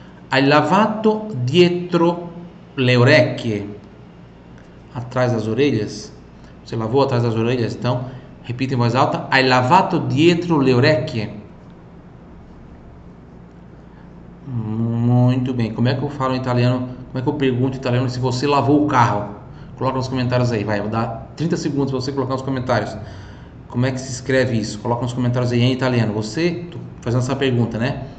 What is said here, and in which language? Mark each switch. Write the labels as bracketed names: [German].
[Italian] Hai lavato dietro le orecchie. [Portuguese] Atrás das orelhas? Você lavou atrás das orelhas? Então, repita em voz alta. [Italian] Hai lavato dietro le orecchie. [Portuguese] Muito bem. Como é que eu falo em italiano? Como é que eu pergunto em italiano se você lavou o carro? Coloca nos comentários aí, vai. Vou dar 30 segundos para você colocar nos comentários. Como é que se escreve isso? Coloca nos comentários aí em italiano. Você. Fazendo essa pergunta, né?